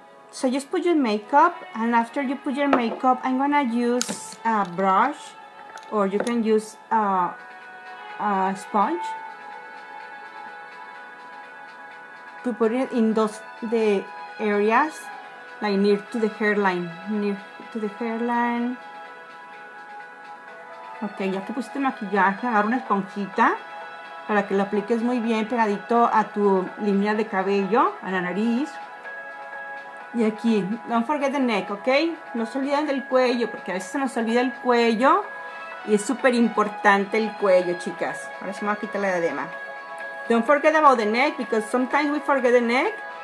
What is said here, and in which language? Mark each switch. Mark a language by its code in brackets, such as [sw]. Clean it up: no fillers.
[en] So just put your makeup, and after you put your makeup, I'm gonna use a brush, or you can use a sponge to put it in the areas, like near to the hairline. [es] Okay, ya que pusiste maquillaje, agarra una esponjita para que lo apliques muy bien pegadito a tu línea de cabello, a la nariz. Y aquí, [en] don't forget the neck, [es] ok? No se olviden del cuello, porque a veces se nos olvida el cuello. Y es súper importante el cuello, chicas. Ahora se me va a quitar la diadema. [en] Don't forget about the neck, because sometimes we forget the neck.